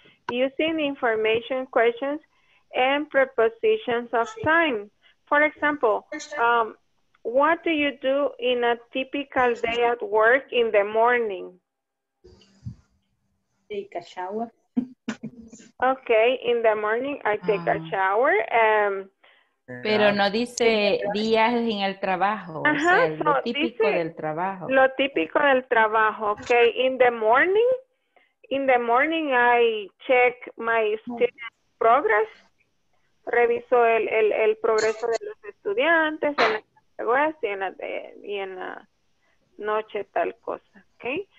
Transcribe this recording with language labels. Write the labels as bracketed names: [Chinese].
[English] Using information questions and prepositions of time. For example, what do you do in a typical day at work in the morning? Take a shower. Okay, in the morning I take a shower. [Spanish] Pero no dice días en el trabajo, o sea, lo típico del trabajo. Lo típico del trabajo, [English] okay, in the morning. In the morning, I check my student progress. [Spanish] Reviso el progreso de los estudiantes en las categorías y en la noche tal cosa, okay?